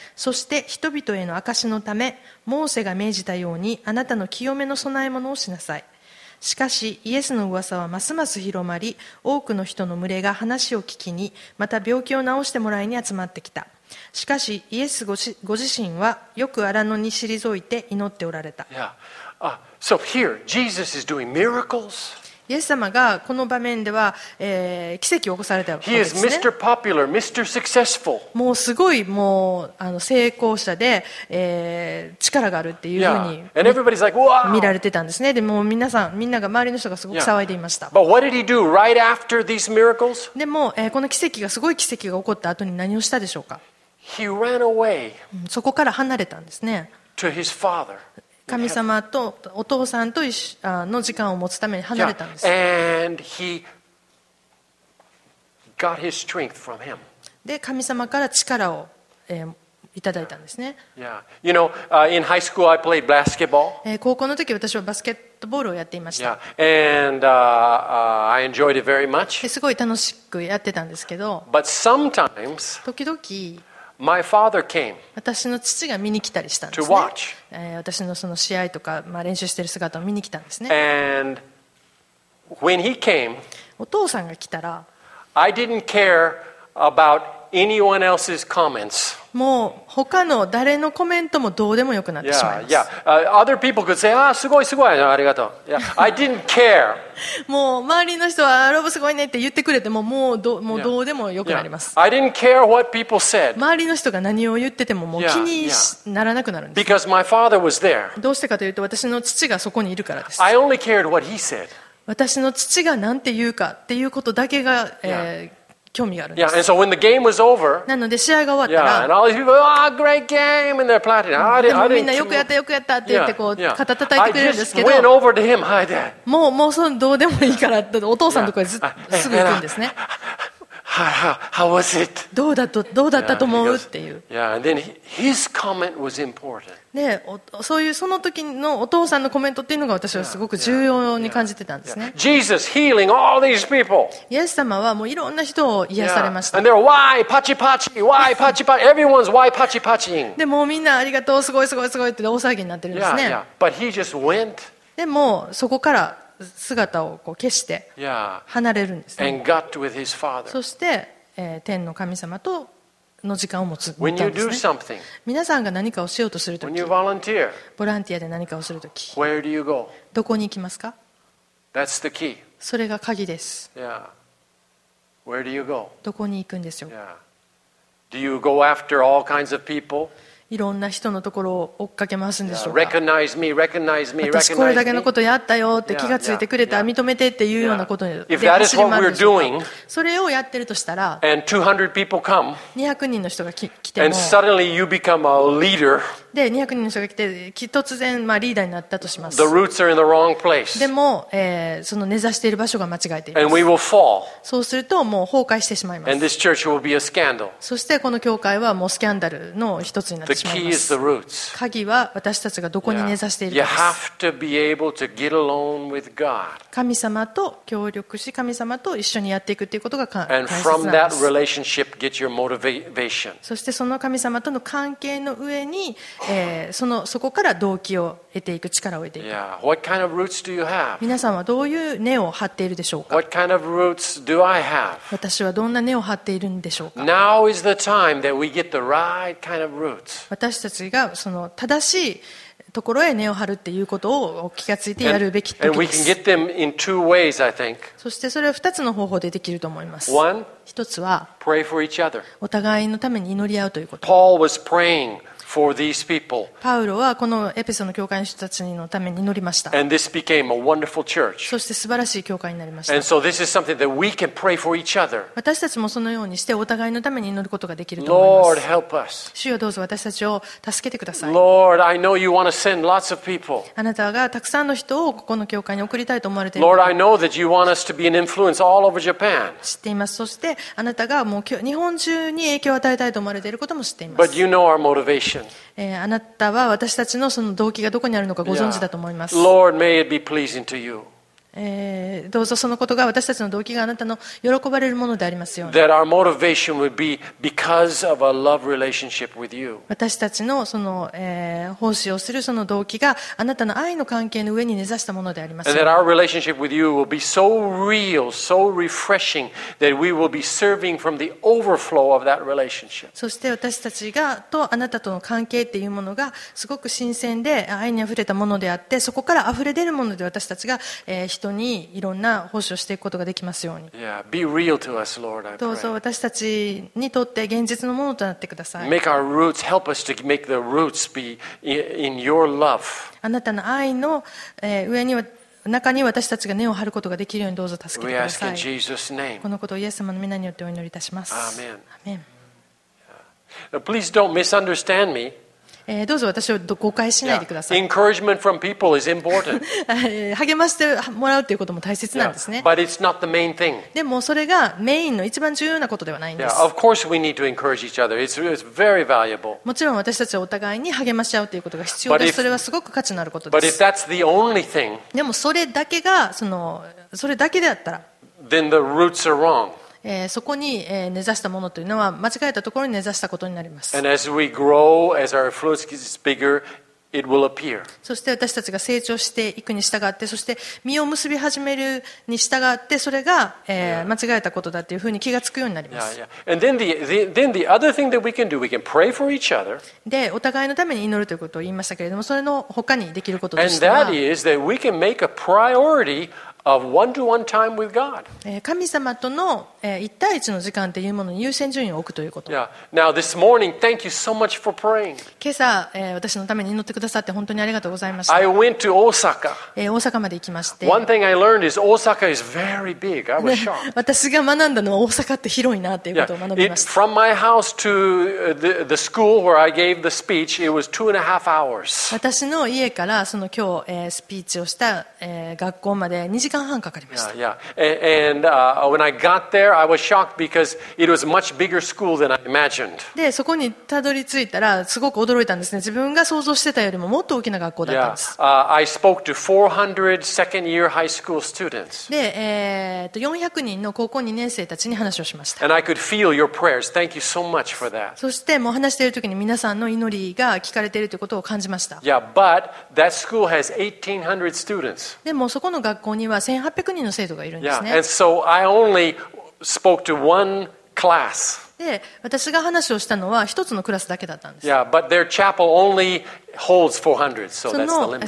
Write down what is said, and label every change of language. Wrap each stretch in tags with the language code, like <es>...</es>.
<ja>そして人々への証のためモーセが命じたようにあなたの清めの供え物をしなさい。しかしイエスの噂はますます広まり、多くの人の群れが話を聞きに、また病気を治してもらいに集まってきた。しかしイエスご自身はよく荒野に退いて祈っておられた。</ja> <en>So here, Jesus is doing miracles.</en> <ja>イエス様がこの場面では、奇跡を起こされたわけですね。</ja> <en>He is Mr. Popular, Mr. Successful.</en> <ja>もうすごい、もう成功者で、力があるっていうふうに、</ja> <en>yeah. And everybody's like, wow.</en> <ja>見られてたんですね。でも皆さん、みんなが周りの人がすごく騒いでいました。</ja> <en>Yeah. But what did he do right after these miracles?</en> <ja>でも、この奇跡がすごい奇跡が起こった後に何をしたでしょうか。</ja> <en>He ran away.</en> <ja>そこから離れたんですね。</ja> <en>To his father.</en> <ja>神様とお父さんとの時間を持つために離れたんです。</ja> <en>And he got his strength from him.</en> <ja>で、神様から力を、いただいたんですね。</ja> <en>Yeah. You know, in high school I played basketball.</en> <ja>高校の時私はバスケットボールをやっていました。</ja> <en>Yeah. And I enjoyed it very much.</en> <ja>すごい楽しくやってたんですけど。</ja> <en>But sometimes.</en> <ja>時々</ja> <en>My father came</en> <ja>私の父が見に来たりしたんですね。</ja> <en>To watch.</en> <ja>私のその試合とか、まあ、練習している姿を見に来たんですね。</ja> <en>And when he came,</en> <ja>お父さんが来たら、</ja> <en>I didn't care about anyone else's comments.</en> <ja>もう他の誰のコメントもどうでもよくなってしまいます。</ja> <en>Yeah, yeah. Other people could say, ah,</en> <ja>すごいすごい、ありがとう。</ja> <en>Yeah. I didn't care.</en> <ja>もう周りの人はロブすごいねって言ってくれてももうもうどうでもよくなります。</ja> <en>Yeah. I didn't care what people said.</en> <ja>周りの人が何を言っててももう気にならなくなるんです。</ja> <en>Because my father was there.</en> <ja>どうしてかというと私の父がそこにいるからです。</ja> <en>I only cared what he said.</en> <ja>私の父が何て言うかっていうことだけが、</ja> <en>yeah.</en> <ja>興味があるんです。</ja> <en>Yeah, and so when the game was over, なので試合が終わったら、 yeah, and all these people, oh, great game, and they're plotting. I didn't,</en> <ja>でもみんなよくやったよくやったって言ってこう肩叩いてくれるんですけど、</ja> <en>I just went over to him. Hi, Dad.</en> <ja>もうそのどうでもいいからってお父さんのところにずっとすぐ行くんですね。</ja> <en>How was it?</en> <ja>どうだったと思うっていう。</ja> <en>Yeah, and then his comment was important.</en> <ja>ね、そういうその時のお父さんのコメントっていうのが私はすごく重要に感じてたんですね。</ja> <en>Jesus healing all these people.</en> <ja>イエス様はもういろんな人を癒されました。</ja> <en>And they're why</en> <ja>パチパチ</ja> <en>why パチパチ everyone's why パチパチ。</en> <ja>でもみんなありがとうすごいすごいすごいって大騒ぎになってるんですね。</ja> <en>But he just went.</en> <ja>でもそこから姿をこう消して離れるんですね。</ja> <en>And got with his father.</en> <ja>そして天の神様との時間を持つ。</ja> <en>When you do something,</en> <ja>皆さんが何かをしようとするとき、</ja> <en>When you volunteer,</en> <ja>ボランティアで何かをするとき、</ja> <en>Where do you go?</en> <ja>どこに行きますか？</ja> <en>That's the key.</en> <ja>それが鍵です。</ja> <en>Yeah. Where do you go?</en> <ja>どこに行くんでしょう？</ja> <en>Yeah. Do you go after all kinds of people?</en> <ja>いろんな人のところを追っかけ回すんでしょうか。</ja> <en>Recognize me, recognize me,</en> <ja>私これだけのことやったよって気がついてくれた、</ja> <en>yeah, yeah, yeah.</en> <ja>認めてっていうようなことで走り回るでしょうか。</ja> <en>If that is what we're doing,</en> <ja>それをやってるとしたら</ja> <en>and 200 people come,</en> <ja>200人の人が来ても</ja> <en>and suddenly you become a leader,</en> <ja>で200人の人が来て突然まあリーダーになったとします。</ja> <en>The roots are in the wrong place.</en> <ja>でも、その根ざしている場所が間違えています</ja> <en>。 And we will fall.</en> <ja>そうするともう崩壊してしまいます。</ja> <en>And this church will be a scandal.</en> <ja>そしてこの教会はもうスキャンダルの一つになって</ja> <en>The key is the roots.</en> <ja>鍵は私たちがどこに根ざしているかです。</ja> <en>You have to be able to get alone with God.</en> <ja>神様と協力し、神様と一緒にやっていくということが大切なんです。</ja> <en>And from that relationship, get your motivation.</en> <ja>そしてその神様との関係の上に、そこから動機を得ていく、力を得ていく。</ja> <en>Yeah. What kind of roots do you have?</en> <ja>皆さんはどういう根を張っているでしょうか。</ja> <en>What kind of roots do I have?</en> <ja>私はどんな根を張っているんでしょうか。</ja> <en>Now is the time that we get the right kind of roots.</en> <ja>私たちがその正しいところへ根を張るっていうことを気がついてやるべき時です。</ja> <en>ways,</en> <ja>そしてそれは2つの方法でできると思います。</ja> <en>One,</en> <ja>1つは、</ja> <en>pray for each other.</en> <ja>お互いのために祈り合うということ。</ja> <en>Paul was praying for these people.</en> <ja>パウロはこのエペソの教会の人たちのために祈りました。</ja> <en>And this became a wonderful church.</en> <ja>そして素晴らしい教会になりました。</ja> <en>And so this is something that we can pray for each other.</en> <ja>私たちもそのようにしてお互いのために祈ることができると思います。</ja> <en>Lord, help us.</en> <ja>主よ、どうぞ私たちを助けてください。</ja> <en>Lord, I know you want to send lots of people.</en> <ja>あなたがたくさんの人をここの教会に送りたいと思われている。</ja> <en>Lord, I know that you want us to be an influence all over Japan.</en> <ja>知っています。そしてあなたがもう日本中に影響を与えたいと思われていることも知っています。</ja> <en>But you know our motivation.</en> <ja>あなたは私たちのその動機がどこにあるのかご存知だと思います。</ja> <en>Yeah. Lord, may it be pleasing to you.</en> <ja>どうぞそのことが私たちの動機があなたの喜ばれるものでありますように。</ja> <en>That our motivation would be because of a love relationship with you.</en> <ja>私たちのその、奉仕をするその動機があなたの愛の関係の上に根ざしたものでありますように。</ja> <en>And that our relationship with you will be so real, so refreshing that we will be serving from the overflow of that relationship.</en> <ja>そして私たちがとあなたとの関係っていうものがすごく新鮮で愛にあふれたものであって、そこからあふれ出るもので私たちが、人にいろんな奉仕をしていくことができますように。</ja> <en>Yeah, be real to us, Lord,</en> <ja>どうぞ私たちにとって現実のものとなってください。</ja> <en>Make our roots, help us to make the roots be in your love.</en> <ja>あなたの愛の、上には中に私たちが根を張ることができるようにどうぞ助けてください。</ja> <en>We ask in Jesus' name.</en> <ja>このことをイエス様の御名によってお祈りいたします。</ja> <en>Amen. Amen. Now, please don't misunderstand me.</en> <ja>どうぞ私を誤解しないでください。</ja> <en>Yeah. Encouragement from people is important.</en> <ja>励ましてもらうということも大切なんですね。</ja> <en>Yeah. But it's not the main thing.</en> <ja>でもそれがメインの一番重要なことではないんです。</ja> <en>Yeah. Of course we need to encourage each other. It's very valuable.</en> <ja>もちろん私たちはお互いに励まし合うということが必要です。それはすごく価値のあることです。</ja> <en>But if that's the only thing,</en> <ja>でもそれだけがそれだけであったら</ja> <en>then the roots are wrong.</en> <ja>そこに根ざしたものというのは間違えたところに根ざしたことになります。</ja> <en>And as we grow, as our influence gets bigger, it will appear.</en> <ja>そして私たちが成長していくに従って、そして実を結び始めるに従って、それが、</ja> <en>yeah.</en> <ja>間違えたことだというふうに気がつくようになります。</ja> <en>yeah, yeah. And then the other thing that we can do, we can pray for each other.</en> <ja>でお互いのために祈るということを言いましたけれども、それの他にできることとしては、</ja> <en>And that is that we can make a priorityOf one-to-one time with God.</en> <ja>神様との一対一の時間というものに優先順位を置くということ。</ja> <en>Yeah. Now this morning, thank you so much for praying.</en> <ja>今朝私のために祈ってくださって本当にありがとうございました。</ja> <en>I went to Osaka.</en> <ja>大阪まで行きまして。</ja> <en>One thing I learned is Osaka is very big. I was shocked.</en> <ja>私が学んだのは大阪って広いなということを学びました。</ja> <en>Yeah. From my house to the school where I gave the speech, it was 2.5 hours.</en> <ja>私の家からその今日スピーチをした学校まで2時間半かかりました。</ja> <en>Yeah, yeah. And when I got there, I was shocked because it was much bigger school than I imagined.</en> <ja>で、そこにたどり着いたらすごく驚いたんですね。自分が想像してたよりももっと大きな学校だったんです。</ja> <en>Yeah. I spoke to 400 second year high school students.</en> <ja>で、400人の高校2年生たちに話をしました。</ja> <en>And I could feel your prayers. Thank you so much for that.</en> <ja>そしてもう話している時に皆さんの祈りが聞かれているということを感じました。</ja> <en>Yeah, but that school has 1800 students.</en> <ja>でもそこの学校には1800人の生徒がいるんですね。</ja> <en>Yeah, and so I only spoke to one class.</en> <ja>で、私が話をしたのは一つのクラスだけだったんです。</ja> <en>Yeah, but their chapel only holds 400, so that's the limit.</en>